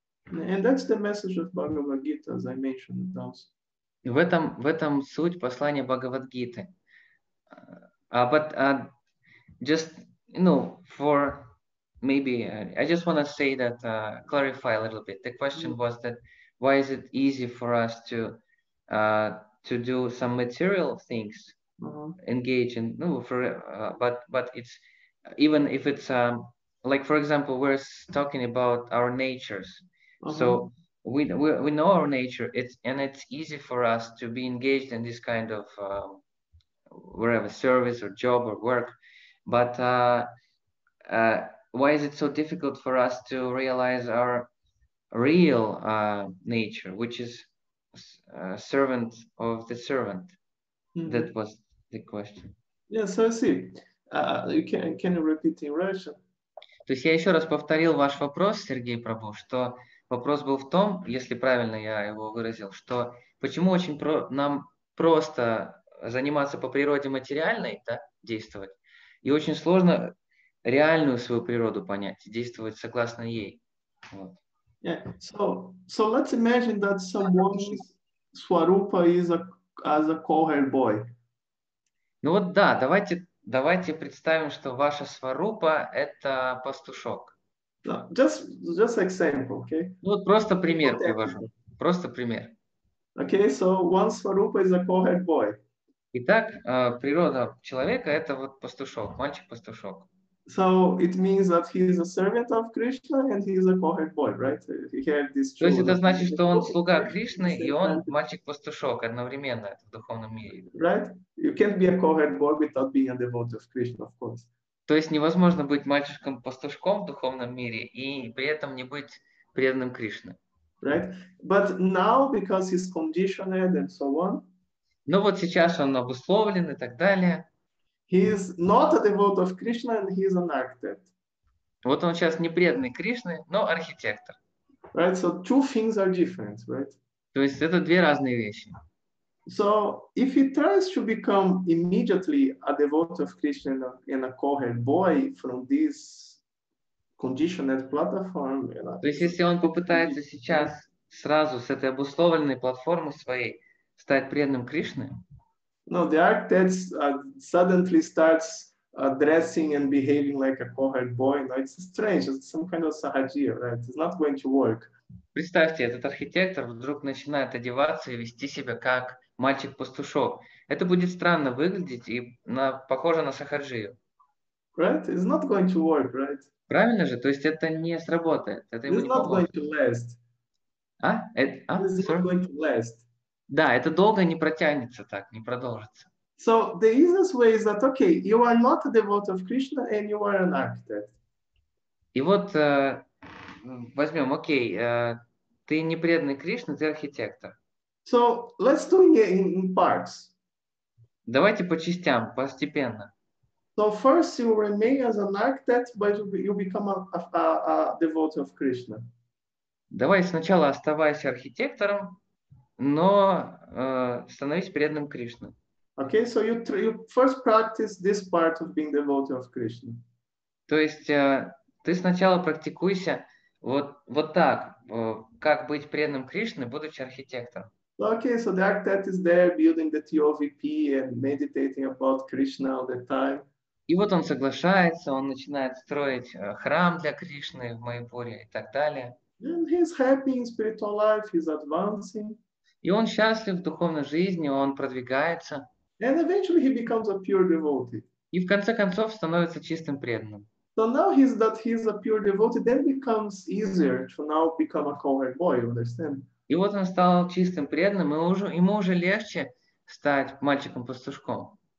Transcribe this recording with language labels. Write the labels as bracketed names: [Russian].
[English] And that's the message of Bhagavad Gita, as I mentioned also. [Russian] И в этом суть послания Бхагавад-гиты. [English] I just want to say that, clarify a little bit. The question was that why is it easy for us to do some material things, engage in, but it's, even if it's, like, for example, we're talking about our natures. So we know our nature, it's easy for us to be engaged in this kind of, wherever, service or job or work. But why is it so difficult for us to realize our real nature, which is servant of the servant? Mm-hmm. That was the question. Yeah, so I see. Can you repeat in Russian? [Russian] То есть я еще раз повторил ваш вопрос, Сергей Прабу, что вопрос был в том, если правильно я его выразил, что почему очень нам просто заниматься по природе материальной, да, действовать, и очень сложно реальную свою природу понять, действовать согласно ей. Вот. [English] Yeah, so let's imagine that someone's Swarupa is as a cowherd boy. [Russian] Ну вот да, давайте представим, что ваша Сварупа – это пастушок. [English] No, just example, okay? [Russian] Ну вот просто пример привожу, просто пример. [English] Okay, so one Swarupa is a cowherd boy. [Russian] Итак, природа человека – это вот пастушок, мальчик-пастушок. [English] So it means that he is a servant of Krishna and he is a cowherd boy, right? He had this [Russian] truth. То есть это значит, что он слуга Кришны и он мальчик-пастушок одновременно в духовном мире. [English] Right? You can't be a cowherd boy without being a devotee of Krishna, of course. [Russian] То есть невозможно быть мальчиком-пастушком в духовном мире и при этом не быть преданным Кришне. [English] Right? But now, because he's conditioned and so on. [Russian] Ну вот сейчас он обусловлен и так далее. [English] He is not a devotee of Krishna and he is an architect. [Russian] Вот он сейчас не преданный Кришне, но архитектор. [English] Right, so two things are different, right? [Russian] То есть это две разные вещи. [English] So if he tries to become immediately a devotee of Krishna and a cowherd boy from this conditioned platform, [Russian] то есть если он попытается сейчас сразу с этой обусловленной платформы своей стать преданным Кришне? [English] No, the architect suddenly starts dressing and behaving like a cowherd boy. No, it's strange. It's some kind of sahajiya, right? It's not going to work. [Russian] Представьте, этот архитектор вдруг начинает одеваться и вести себя как мальчик-пастушок. Это будет странно выглядеть и похоже на сахаджию. [English] Right? It's not going to work, right? [Russian] Правильно же? То есть это не сработает. Это [English] it's not going to last. А? It's not going to last. [Russian] Да, это долго не протянется так, не продолжится. [English] So the easiest way is that, okay, you are not a devotee of Krishna and you are an architect. [Russian] И вот возьмем, окей, ты не преданный Кришне, ты архитектор. [English] So let's do it in parts. [Russian] Давайте по частям, постепенно. [English] So first you remain as an architect, but you become a devotee of Krishna. [Russian] Давай сначала оставайся архитектором, но становись преданным Кришне. [English] Okay, so you first practice this part of being devotee of Krishna. [Russian] То есть ты сначала практикуйся вот так, как быть преданным Кришне, будучи архитектором. [English] Okay, so the architect is there building the TOVP and meditating about Krishna all the time. [Russian] И вот он соглашается, он начинает строить храм для Кришны в Майпуре и так далее. [English] And he's happy in spiritual life, he's advancing. [Russian] И он счастлив в духовной жизни, он продвигается. [English] And eventually he becomes a pure devotee. [Russian] И в конце концов становится чистым преданным. [English] So now he's that he's a pure devotee, then becomes easier to now become a cowherd boy, you understand? [Russian] И вот он стал чистым преданным, и уже ему уже легче стать мальчиком-пастушком.